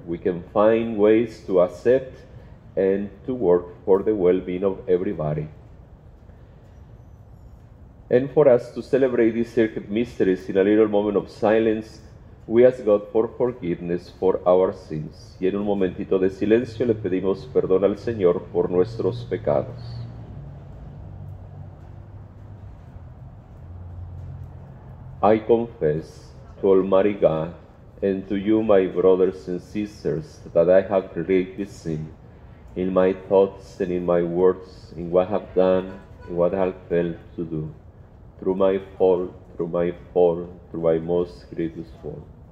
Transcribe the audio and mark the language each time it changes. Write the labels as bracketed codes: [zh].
[en] We can find ways to accept and to work for the well-being of everybody. And for us to celebrate these sacred mysteries in a little moment of silence, we ask God for forgiveness for our sins. [es] Y en un momentito de silencio le pedimos perdón al Señor por nuestros pecados. [en] I confess to Almighty God and to you, my brothers and sisters, that I have greatly sinned in my thoughts and in my words, in what I have done, in what I have failed to do, through my most grievous fault.